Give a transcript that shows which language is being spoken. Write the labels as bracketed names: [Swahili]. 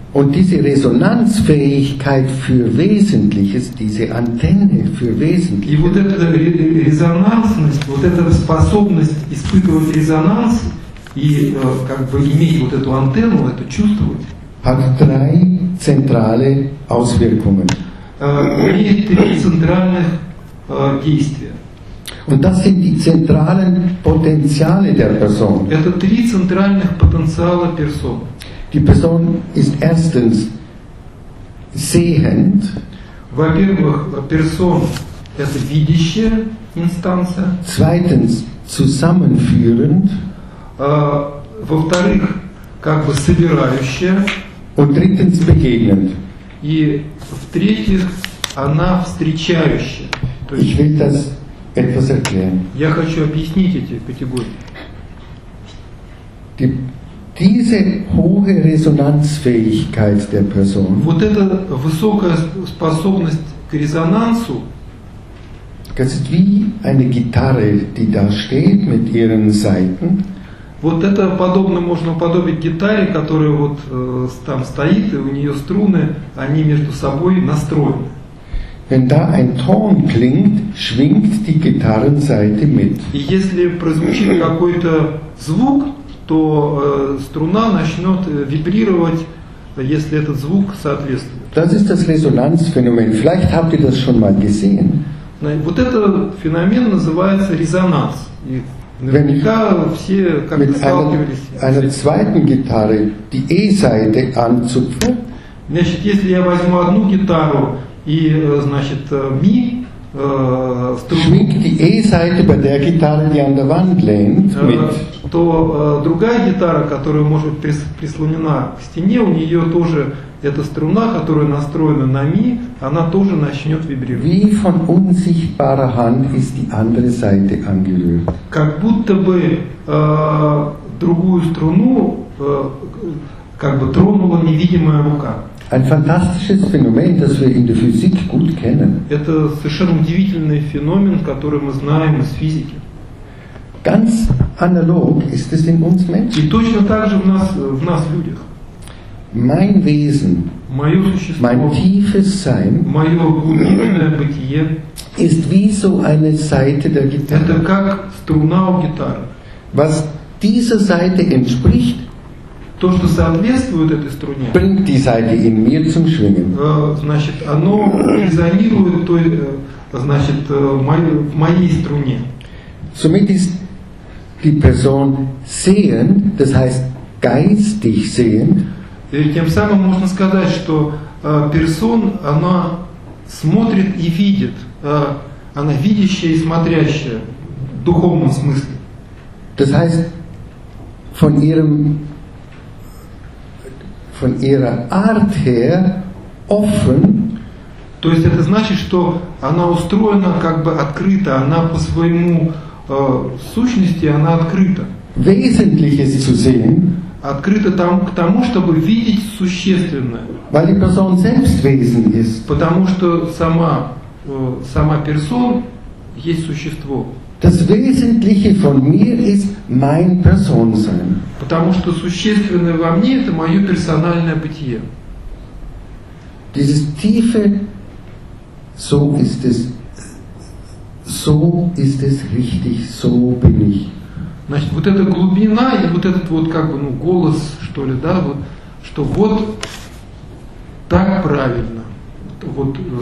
[German] und diese Resonanzfähigkeit für Wesentliches, diese Antenne für Wesentliches. [Russian] И вот эта резонансность, вот эта способность испытывать резонанс и как бы иметь вот эту антенну, это чувствовать. [German] Hat drei zentrale Auswirkungen. [Russian] Имеет три центральных действия. [German] Und das sind die zentralen Potenziale der Person. [Russian] Это три центральных потенциала персоны. [German] Die Person ist erstens sehend. [Russian] Во-первых, Person – это видящая инстанция. [German] Zweitens zusammenführend. [Russian] Во-вторых, как бы собирающая. [German] Und drittens begegnend. [Russian] И в-третьих, она встречающая. [German] То ich will das etwas erklären. [Russian] Я хочу объяснить эти категории. [German] Diese hohe Resonanzfähigkeit der Person. [Russian] Вот эта высокая способность к резонансу. [German] Das ist wie eine Gitarre, die da steht mit ihren Saiten. [Russian] Вот это подобно можно подобить гитаре, которая вот там стоит и у нее струны, они между собой настроены. [German] Wenn da ein Ton klingt, schwingt die Gitarrensaite mit. [Russian] И если прозвучит какой-то звук, то струна начнет вибрировать, если этот звук соответствует. [German] Das ist das Resonanzphänomen. Vielleicht habt ihr das schon mal gesehen. [Russian] Вот этот феномен называется резонанс. И наверняка все как-то сталкивались. [German] Eine zweite Gitarre, die E-Seite anzupfen. [Russian] Значит, если я возьму одну гитару и, значит, ми [German] Schwingt die E-Seite bei der Gitarre, die an der Wand lehnt, mit. [Russian] То другая гитара, которая может прислонена к стене, у нее тоже эта струна, которая настроена на ми, она тоже начнет вибрировать. [German] Wie von unsichtbarer Hand ist die andere Seite angerührt. [Russian] Как будто бы другую струну как бы тронула невидимая рука. [German] Ein fantastisches Phänomen, das wir in der Physik gut kennen. [Russian] Это совершенно удивительный феномен, который мы знаем из физики. [German] Ganz analog ist es in uns Menschen. [Russian] И точно так же в нас людях. [German] Mein Wesen, [Russian] мое существо, [German] mein tiefes Sein, [Russian] мое глубинное бытие, [German] ist wie so eine Seite der Gitarre. [Russian] Это как струна у гитары. [German] Was dieser Seite entspricht, [Russian] то, что соответствует этой струне, [German] bringt die Seite in mir zum Schwingen. [Russian] Значит, оно резонирует той, значит, в моей струне. [German] Somit ist die Person sehend, das heißt geistig sehend. [Russian] И тем самым можно сказать, что Person, она смотрит и видит. Она видящая и смотрящая в духовном смысле. [German] Das heißt, von ihrer Art her offen. [Russian] То есть это значит, что она устроена как бы открыто, она по своему сущности, она открыта. [German] Wesentliches zu sehen. [Russian] Открыта там, к тому, чтобы видеть существенное. [German] Weil die Person selbst Wesen ist. [Russian] Потому что сама персон есть существо. [German] Das Wesentliche von mir ist mein Personsein. [Russian] Потому что существенное во мне – это мое персональное бытие. [German] Dieses tiefe, so ist es, so ist es richtig, so bin ich. [Russian] Значит, вот эта глубина и вот этот вот как бы, ну, голос, что ли, да, вот, что вот так правильно, вот,